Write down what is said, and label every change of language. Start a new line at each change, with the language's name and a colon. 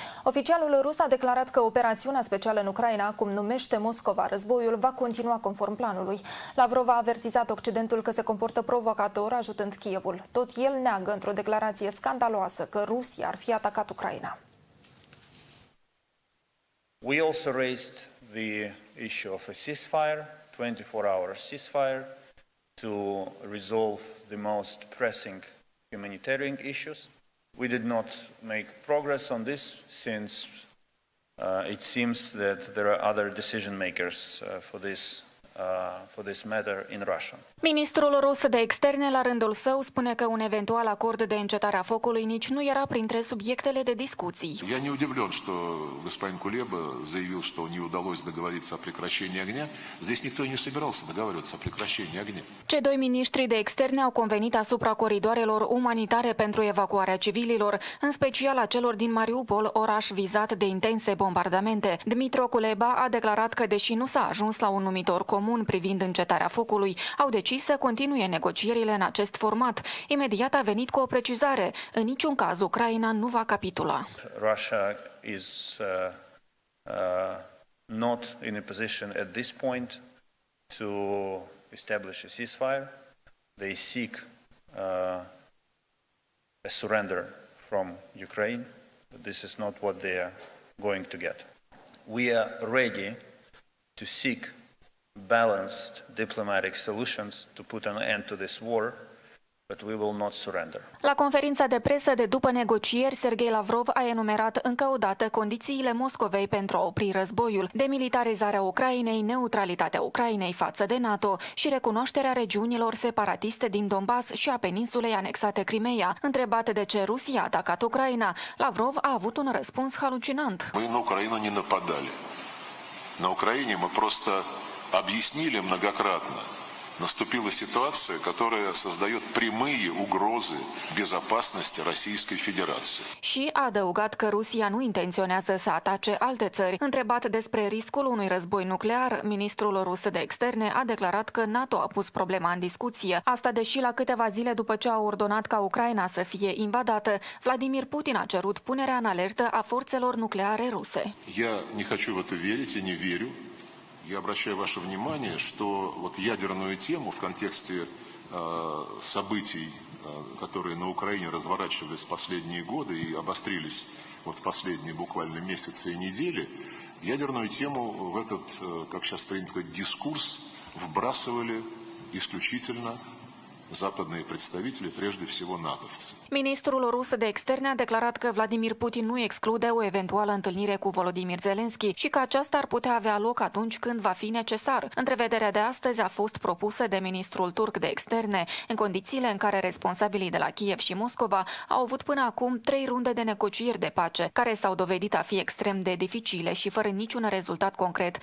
Romanian: Oficialul rus a declarat că operațiunea specială în Ucraina, cum numește Moscova războiul, va continua conform planului. Lavrov a avertizat Occidentul că se comportă provocator, ajutând Kievul. Tot el neagă într-o declarație scandaloasă că Rusia ar fi atacat Ucraina.
English: We also raised the issue of a ceasefire, 24-hour ceasefire, to resolve the most pressing humanitarian issues. We did not make progress on this since it seems that there are other decision makers for this matter in Russia.
Romanian: Ministrul rus de externe, la rândul său, spune că un eventual acord de încetare a focului nici nu era printre subiectele de discuții.
Russian: Я не удивлен, что господин Кулеба заявил, что не удалось договориться о прекращении огня. Здесь никто не собирался договариваться о прекращении огня.
Romanian: Cei doi miniștri de externe au convenit asupra coridoarelor umanitare pentru evacuarea civililor, în special a celor din Mariupol, oraș vizat de intense bombardamente. Dmitro Kuleba a declarat că, deși nu s-a ajuns la un numitor comun privind încetarea focului, au decis să continue negocierile în acest format. Imediat a venit cu o precizare: în niciun caz Ucraina nu va capitula.
English: Russia is not in a position at this point to establish a ceasefire. They seek a surrender from Ukraine. This is not what they are going to get. We are ready to seek balanced diplomatic solutions to put an end to this war, but we will not surrender.
Romanian: La conferința de presă de după negocieri, Sergei Lavrov a enumerat încă o dată condițiile Moscovei pentru a opri războiul: demilitarizarea Ucrainei, neutralitatea Ucrainei față de NATO și recunoașterea regiunilor separatiste din Donbass și a peninsulei anexate Crimeea. Întrebat de ce Rusia a atacat Ucraina, Lavrov a avut un răspuns halucinant.
Russian: Мы на Украину не нападали. На Украине мы просто объяснили многократно, наступила ситуация, которая создает прямые угрозы безопасности Российской Федерации.
Romanian: Și a adăugat că Rusia nu intenționează să atace alte țări. Întrebat despre riscul unui război nuclear, ministrul rus de externe a declarat că NATO a pus problema în discuție. Asta deși la câteva zile după ce a ordonat ca Ucraina să fie invadată, Vladimir Putin a cerut punerea în alertă a forțelor nucleare ruse.
Russian: Я не хочу в это верить и не верю. Я обращаю ваше внимание, что вот ядерную тему в контексте событий, которые на Украине разворачивались последние годы и обострились вот в последние буквально месяцы и недели, ядерную тему в этот, как сейчас принято говорить, дискурс вбрасывали исключительно западные представители, прежде всего натовцы.
Romanian: Ministrul rus de externe a declarat că Vladimir Putin nu exclude o eventuală întâlnire cu Volodymyr Zelensky și că aceasta ar putea avea loc atunci când va fi necesar. Întrevederea de astăzi a fost propusă de ministrul turc de externe, în condițiile în care responsabilii de la Kiev și Moscova au avut până acum trei runde de negocieri de pace, care s-au dovedit a fi extrem de dificile și fără niciun rezultat concret.